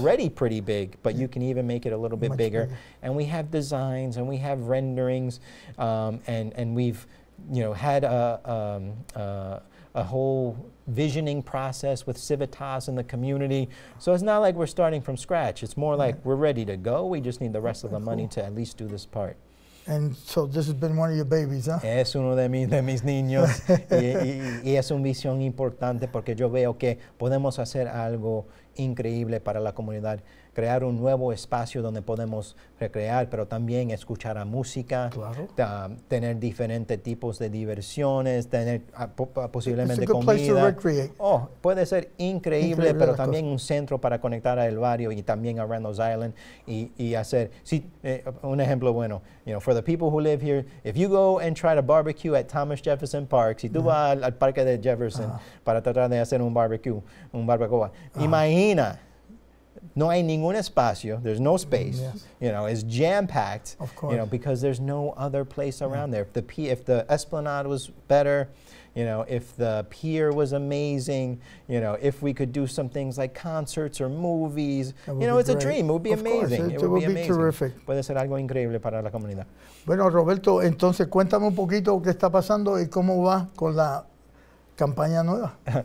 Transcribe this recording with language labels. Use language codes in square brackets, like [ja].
[en] Already pretty big, but you can even make it a little bit bigger. And we have designs and we have renderings, and we've, you know, had a whole visioning process with Civitas and the community. So it's not like we're starting from scratch. It's more like we're ready to go. We just need the rest of the money to at least do this part. And so this has been one of your babies, huh? [es] Es uno de mis niños. y es una visión importante porque yo veo que podemos hacer algo increíble para la comunidad. Crear un nuevo espacio donde podemos recrear, pero también escuchar a música, claro. Tener diferentes tipos de diversiones, tener posiblemente [en] it's a good [es] comida. [en] Place to recreate. [es] Oh, puede ser increíble, pero también un centro para conectar a El Barrio y también a Randall's Island y hacer. Si, un ejemplo bueno, [en] you know, for the people who live here, if you go and try to barbecue at Thomas Jefferson Park, [es] si tú vas al parque de Jefferson para tratar de hacer un barbecue, imagina. No hay ningún espacio. [en] There's no space. Yes. You know, it's jam-packed. Of course. You know, because there's no other place around there. If the Esplanade was better, you know, if the pier was amazing, you know, if we could do some things like concerts or movies, you know, it's great. A dream. It would be of amazing. Course. It would be terrific. [es] Puede ser algo increíble para la comunidad. Bueno, Roberto, entonces cuéntame un poquito qué está pasando y cómo va con la campaña nueva.